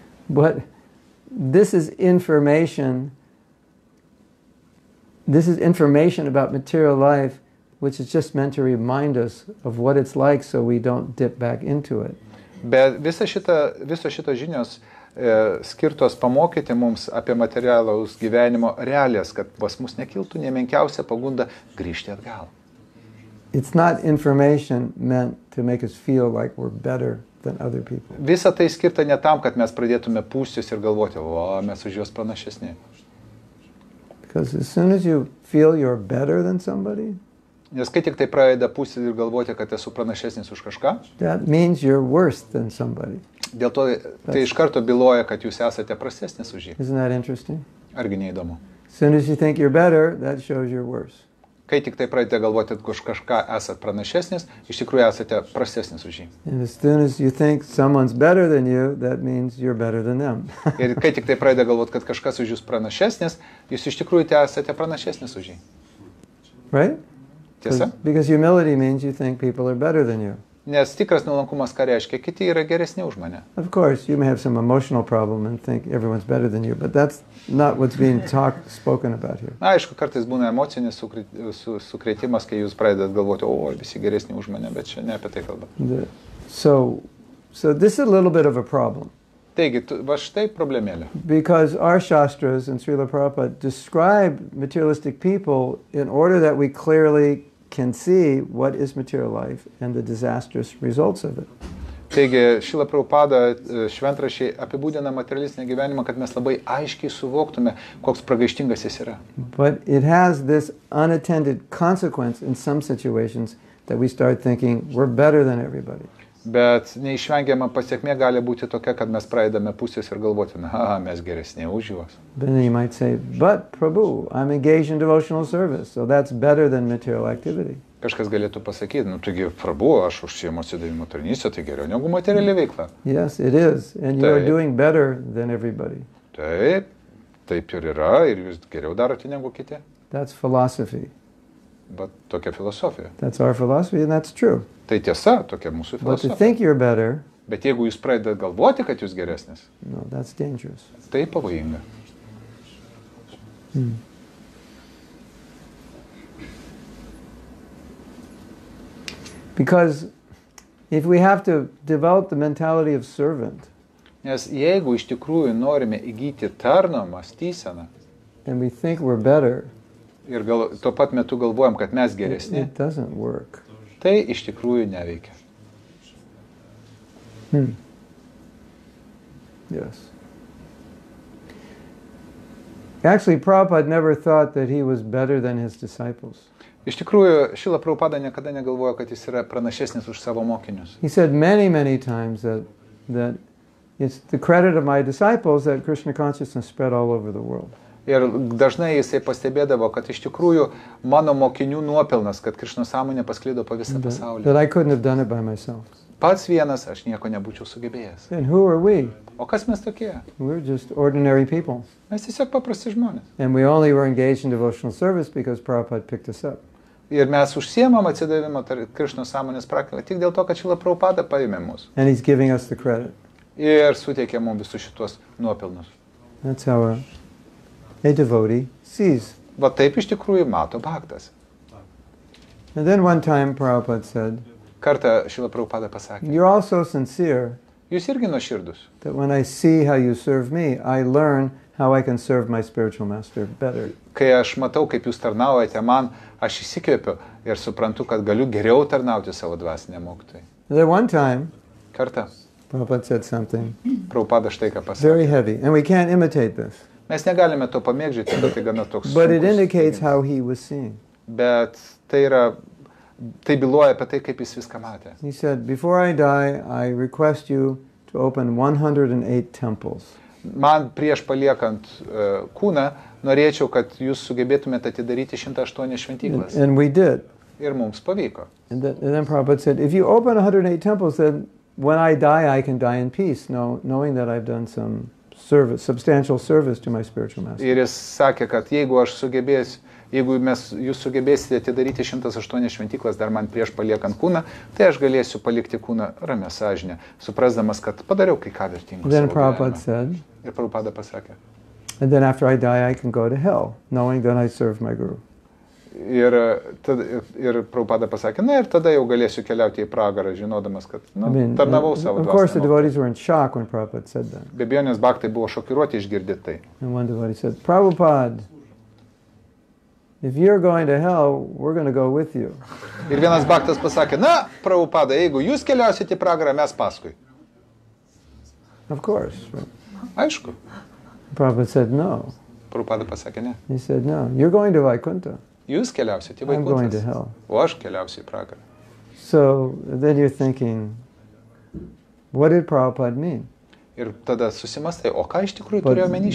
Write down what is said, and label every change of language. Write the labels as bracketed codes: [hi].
[en] But this is information about material life which is just meant to remind us of what it's like so we don't dip back into it. [lt] Bet visos šitos žinios skirtos pamokyti mums apie materialaus gyvenimo realijas, kad pas mus nekiltų nemenkiausia pagunda grįžti atgal. [en] It's not information meant to make us feel like we're better than other people. [lt] Visa tai skirta ne tam, kad mes pradėtume pūstis ir galvoti, o mes už juos panašesni. [en] Because as soon as you feel you're better than somebody, [lt] nes kai tik tai pradeda pūstis ir galvoti, kad esu pranašesnis už kažką, [en] that means you're worse than somebody. [lt] Dėl to tai iš karto byloja, kad jūs esate prastesnis už jį. [en] Isn't that interesting? [lt] Argi neįdomu? [en] As soon as you think you're better, that shows you're worse. [lt] Kai tik tai pradėte galvoti, kad už kažką esat pranašesnis, iš tikrųjų esate prastesnis už jį. [en] And as soon as you think someone's better than you, that means you're better than them. [lt] Ir kai tik tai pradėte galvoti, kad kažkas už jūs pranašesnis, jūs iš tikrųjų esate pranašesnis už jį. [en] Right? [lt] Tiesa? [en] Because humility means you think people are better than you. [lt] Nes tikras nuolankumas, ką reiškia, kiti yra geresni už mane. [en] Of course, you may have some emotional problem and think everyone's better than you, but that's not what's being spoken about here. [lt] Na, aišku, kartais būna emocinis sukrėtimas, kai jūs pradedat galvoti, o, visi geresni už mane, bet čia ne apie tai kalba. [en] So this is a little bit of a problem. [lt] Taigi, va štai problemėlė. [en] Because our shastras and Srila Prabhupada describe materialistic people in order that we clearly can see what is material life and the disastrous results of it. [lt] Taigi, Šila Prabhupada šventrašiai apibūdina materialistinį gyvenimą, kad mes labai aiškiai suvoktume, koks pragaištingas jis yra. [en] But it has this unattended consequence in some situations that we start thinking we're better than everybody. [lt] Bet neišvengiama pasiekmė gali būti tokia, kad mes praeidame pusės ir galvoti, na, mes geresnė už juos. [en] Then you might say, but Prabhu, I'm engaged in devotional service, so that's better than material activity. [lt] Kažkas galėtų pasakyti, nu, taigi, Prabhu, aš užsiimu atsidavimo tarnystę, tai geriau negu materialė veikla. [en] Yes, it is, and you are doing better than everybody. [lt] Taip ir yra, ir jūs geriau darote negu kiti. [en] That's philosophy. [lt] But tokia filosofija. [en] That's our philosophy and that's true. [lt] Tai tiesa, tokia mūsų filosofija. [en] But to think you're better. [lt] Bet jeigu jūs pradedate galvoti, kad jūs geresnis. [en] No, that's dangerous. [lt] Tai pavojinga. [en] Because if we have to develop the mentality of servant. [lt] Nes jeigu iš tikrųjų norime įgyti tarno mąstyseną, [en] then we think we're better. [lt] Ir tuo pat metu galvojam, kad mes geresni. [en] It doesn't work. [lt] Tai iš tikrųjų neveikia. [en] Yes. Actually, Prabhupada never thought that he was better than his disciples. [lt] Iš tikrųjų, Šila Prabhupada niekada negalvojo, kad jis yra pranašesnis už savo mokinius. [en] He said many, many times that it's the credit of my disciples that Krishna consciousness spread all over the world. [lt] Ir dažnai jisai pastebėdavo, kad iš tikrųjų mano mokinių nuopelnas, kad Krishna sąmonė pasklido po visą pasaulį. [en] But I couldn't have done it by myself. [lt] Pats vienas aš nieko nebūčiau sugebėjęs. [en] And who are we? [lt] O kas mes tokie? [en] We're just ordinary people. [lt] Mes tiesiog paprasti žmonės. [en] And we only were engaged in devotional service because Prabhupada picked us up. [lt] ir mes užsiemam atsidavimą Krishna sąmonės praktiką tik dėl to, kad Šila Prabhupada paėmė mus. [en] And he's giving us the credit. [lt] Ir suteikė mums visus šituos nuopelnus. [en] That's how a devotee sees. [lt] Va taip iš tikrųjų mato bhaktas. [en] And then one time Prabhupada said, [lt] kartą Šila Prabhupada pasakė, [en] you're also sincere. [lt] Jūs irgi nuoširdus. [en] That when I see how you serve me, I learn how I can serve my spiritual master better. [lt] Kai aš matau, kaip jūs tarnaujate man, aš įsikvėpiu ir suprantu, kad galiu geriau tarnauti savo dvasiniam mokytojui. [en] There one time, [lt] kartą, [en] Prabhupada said something. [lt] Prabhupada štai ką pasakė. [en] Very heavy, and we can't imitate this. [lt] Mes negalime to pamėgdžioti, bet tai gana toks. [en] But it indicates how he was seeing. [lt] Bet tai yra. Tai byloja apie tai, kaip jis viską matė. [en] He said, before I die, I request you to open 108 temples. [lt] Man prieš paliekant kūną, norėčiau, kad jūs sugebėtumėte atidaryti 108 šventyklas. [en] And we did. [lt] Ir mums pavyko. [en] And then Prabhupada said, if you open 108 temples, then when I die, I can die in peace, knowing that I've done some service, substantial service to my spiritual master. [lt] Ir jis sakė, kad jeigu aš sugebėsiu, jeigu mes jūs sugebėsite atidaryti 108 šventyklas dar man prieš paliekant kūną, tai aš galėsiu palikti kūną ramę sąžinę, suprasdamas, kad padariau kai ką vertingo. [en] Then Prabhupada said. [lt] Ir Prabhupada pasakė. [en] And then after I die, I can go to hell, knowing that I serve my guru. [lt] Ir Prabhupada pasakė, na ir tada jau galėsiu keliauti į pragarą, žinodamas, kad tarnavau savo dvasinę. [en] Of course, the devotees were in shock when Prabhupada said that. [lt] Be abejonės, bhaktai buvo šokiruoti išgirdę tai. [en] And one devotee said, Prabhupada, if you're going to hell, we're going to go with you. [lt] Ir vienas baktas pasakė, na, Prabhupada, jeigu jūs keliausite į pragarą, mes paskui. [en] Of course. [lt] Aišku. [en] Prabhupada said no. [lt] Prabhupada pasakė, ne. [en] He said no. You're going to Vaikuntha. [lt] Jūs keliausite į Vaikuntas. [en] I'm going to hell. [lt] O aš keliausiu į pragarą. [en] So, then you're thinking, what did Prabhupada mean? [lt] Ir tada susimastai, o ką iš tikrųjų turėjo menyti